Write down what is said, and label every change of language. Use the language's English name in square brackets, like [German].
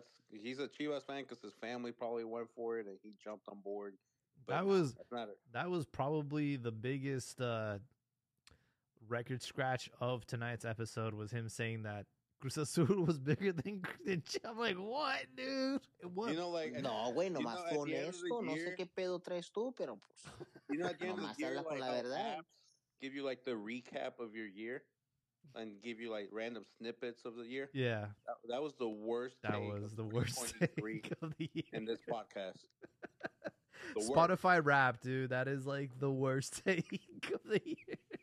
[English] He's a Chivas fan because his family probably went for it and he jumped on board. That was probably the biggest record scratch of tonight's episode was him saying that Cruz Azul was bigger than Chivas. I'm like, what, dude? It was. You know, like, [Spanish] no, güey, nomás con esto. No sé qué pedo traes tú, pero pues. [English] You know, at the end of the year, like, la verdad. Give you like the recap of your year and give you like random snippets of the year. Yeah. That was the worst. That was the worst thing of the year. In this podcast. Spotify rap, dude. That is like the worst take of the year.